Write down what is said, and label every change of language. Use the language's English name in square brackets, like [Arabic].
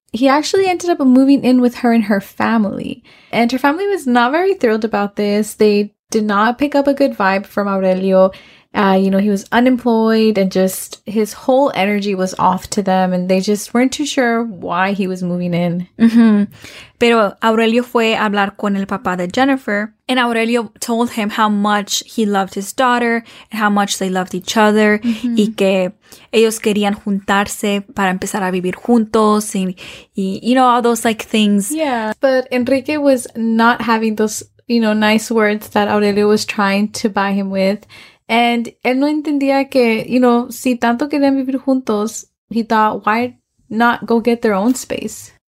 [English] He actually ended up moving in with her and her family. And her family was not very thrilled about this. They did not pick up a good vibe from Aurelio. You know, he was unemployed and just his whole energy was off to them. And they just weren't too sure why he was moving in. Mm-hmm. [Spanish] Pero Aurelio fue a hablar con el papá de Jennifer. [English] And Aurelio told him how much he loved his daughter and how much they loved each other. Mm-hmm. [Spanish] Y que ellos querían juntarse para empezar a vivir juntos. [English] Y, you know, all those like things. Yeah, but Enrique was not having those, you know, nice words that Aurelio was trying to buy him with. And [Spanish] él no entendía que, [English] you know, [Spanish] si tanto querían vivir juntos, [English] he thought, why not go get their own space?